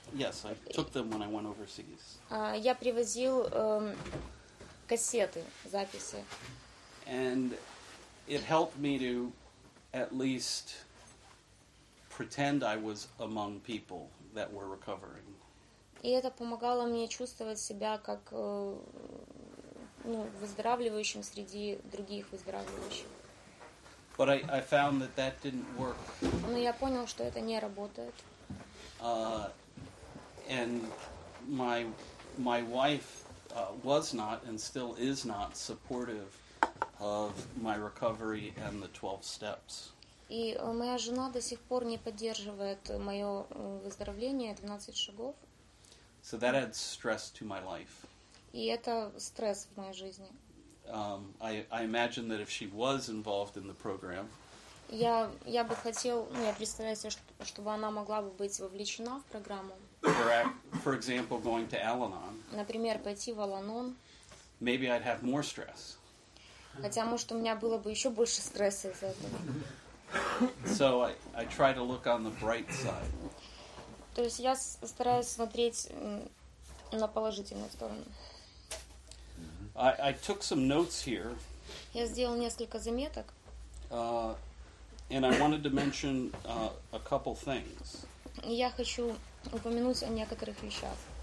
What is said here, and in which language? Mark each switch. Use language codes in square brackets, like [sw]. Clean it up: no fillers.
[en] Yes, I took them when I went overseas. [ru] Я привозил кассеты, записи. [en] And it helped me to at least pretend I was among people that were recovering. [ru] И это помогало мне чувствовать себя как ну, выздоравливающим среди других выздоравливающих. [en] But I found that that didn't work. [ru] Но я понял, что это не работает. [en] And my wife was not and still is not supportive of my recovery and the 12 steps. [ru] И моя жена до сих пор не поддерживает мое выздоровление, 12 шагов. [en] So that adds stress to my life. [ru] И это стресс в моей жизни. [en] I imagine that if she was involved in the program. [ru] Я бы хотел, ну, я представляю себе, чтобы она могла бы быть вовлечена в программу. [en] For example, going to Al-Anon. [ru] Например, пойти в Al-Anon. [en] Maybe I'd have more stress. [ru] Хотя, может, у меня было бы еще больше стресса из-за этого. [en] So I try to look on the bright side. [ru] То есть я стараюсь смотреть на положительную сторону. [en] I took some notes here. [ru] Я сделал несколько заметок. [en] And I wanted to mention a couple things. [ru] Я хочу упомянуть о некоторых вещах.